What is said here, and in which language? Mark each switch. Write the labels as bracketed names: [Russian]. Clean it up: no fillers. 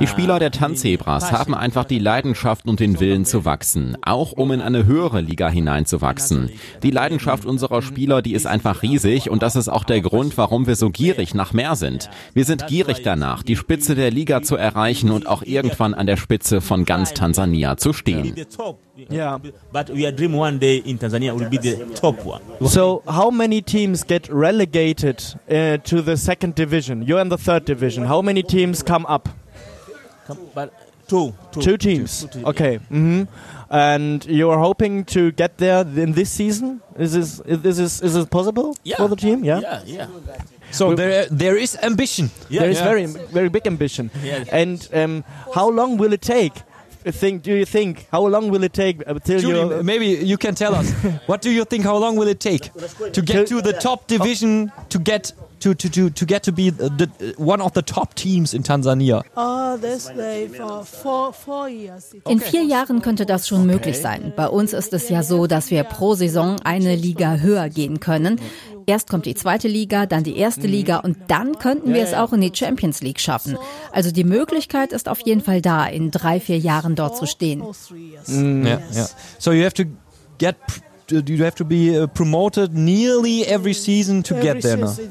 [German] Die Spieler der Tanzzebras haben einfach die Leidenschaft und den Willen zu wachsen, auch um in eine höhere Liga hineinzuwachsen. Die Leidenschaft unserer Spieler, die ist einfach riesig und das ist auch der Grund, warum wir so gierig nach mehr sind. Wir sind gierig danach, die Spitze der Liga zu erreichen und auch irgendwann an der Spitze von ganz Tansania zu stehen. [English] Ja, but we dream one day in Tanzania will be the top one. So, how many teams get relegated to the second division? You're in the third division. How many teams come up? Two teams. Okay. Mm-hmm. And you're hoping to get there in this season? Is this possible for the team? Yeah. Yeah. So there is ambition. Yeah, there is very very big ambition. Yeah. And how long will it take? Do you think how long will it take till you? Maybe you can tell us. What do you think? How long will it take to get to the top division? To get to get to be the one of the top teams in Tanzania? Oh, this way for four years. [German] In vier Jahren könnte das schon möglich sein. Bei uns ist es ja so, dass wir pro Saison eine Liga höher gehen können. Erst kommt die zweite Liga, dann die erste Liga und dann könnten wir es auch in die Champions League schaffen. Also die Möglichkeit ist auf jeden Fall da, in 3-4 Jahren dort zu stehen. Ja, ja. [English] So you have to get be promoted nearly every season to get there.